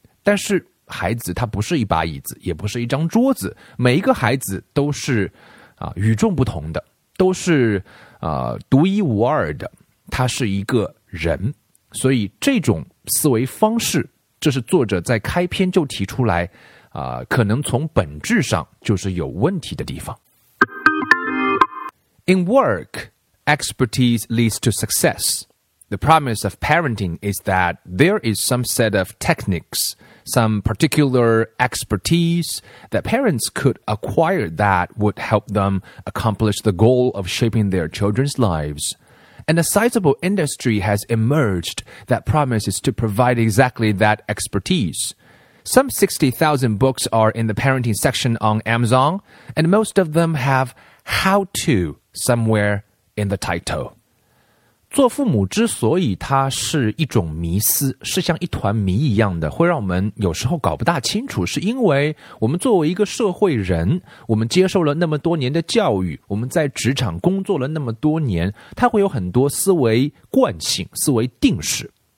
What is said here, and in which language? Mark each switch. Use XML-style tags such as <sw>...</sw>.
<zh>但是孩子他不是一把椅子，也不是一张桌子，每一个孩子都是与众不同的，都是独一无二的，他是一个人。所以这种思维方式，这是作者在开篇就提出来可能从本质上就是有问题的地方。</zh> <en>In work, expertise leads to success. The premise of parenting is that there is some set of techniques, some particular expertise that parents could acquire that would help them accomplish the goal of shaping their children's lives. And a sizable industry has emerged that promises to provide exactly that expertise. Some 60,000 books are in the parenting section on Amazon, and most of them have how-to somewhere in the title.</en> <zh>做父母之所以它是一种迷思，是像一团谜一样的，会让我们有时候搞不大清楚，是因为我们作为一个社会人，我们接受了那么多年的教育，我们在职场工作了那么多年，它会有很多思维惯性，思维定式。</zh>